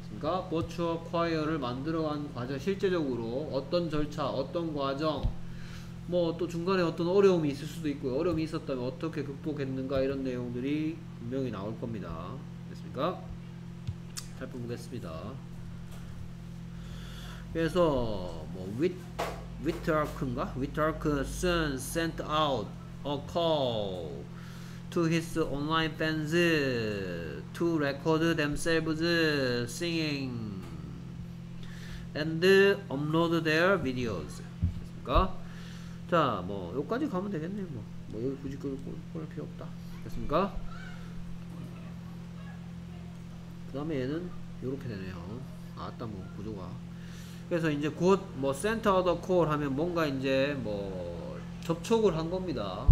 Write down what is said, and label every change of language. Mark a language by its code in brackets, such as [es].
[ko] 그러니까 버추어 콰이어를 만들어간 과정 실제적으로 어떤 절차 어떤 과정 뭐 또 중간에 어떤 어려움이 있을 수도 있고요 어려움이 있었다면 어떻게 극복했는가 이런 내용들이 분명히 나올 겁니다. 됐습니까? 살펴보겠습니다. 그래서 뭐 위트아크인가? [en] 위트아크는 sent out a call to his online fans to record themselves singing and upload their videos. [ko] 됐습니까? 자, 뭐 여기까지 가면 되겠네요. 뭐 여기 굳이 꺼낼 필요 없다. 됐습니까? 그 다음에 얘는 요렇게 되네요. 아, 아따 뭐 구조가. 그래서 이제 곧 뭐 [en] sent out a call [ko] 하면 뭔가 이제 뭐 접촉을 한 겁니다.